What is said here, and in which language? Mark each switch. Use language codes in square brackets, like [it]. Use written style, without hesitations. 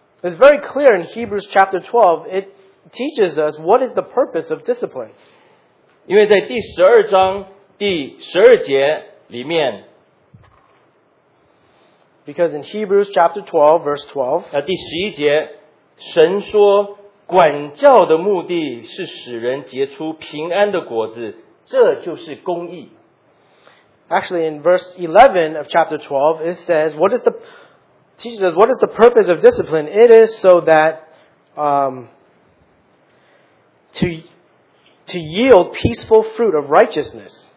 [en] It's very clear in Hebrews chapter 12, it teaches us what is the purpose of discipline. [zh] 因为在第12章第12节里面, [en] because in Hebrews chapter 12, verse 12, [zh] 第11节,神说, 管教的目的是使人结出平安的果子，这就是公义。 [en] Actually, in verse 11 of chapter 12, it says, "What is the purpose of discipline? It is so that to yield peaceful fruit of righteousness."